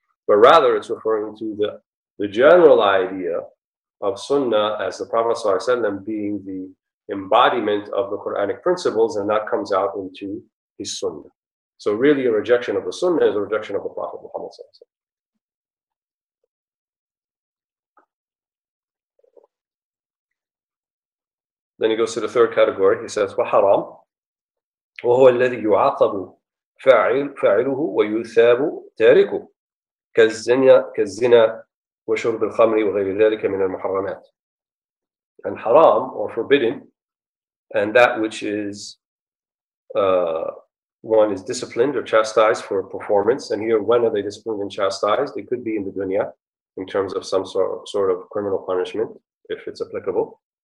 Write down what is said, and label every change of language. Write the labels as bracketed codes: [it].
[en] But rather, it's referring to the general idea of sunnah as the Prophet Sallallahu Alaihi Wasallam being the embodiment of the Quranic principles, and that comes out into his sunnah. So really, a rejection of the sunnah is a rejection of the Prophet Muhammad Sallallahu Alaihi Wasallam. Then he goes to the third category. He says, [ar] وَحَرَامٌ وهو الذي يعاقب فاعله ويثاب تاركه كالزنا وشرب الخمر وغير ذلك من المحرمات. [en] And haram, or forbidden, and that which is one is disciplined or chastised for performance. And here, when are they disciplined and chastised? It could be in the dunya, in terms of some sort of criminal punishment, if it's applicable.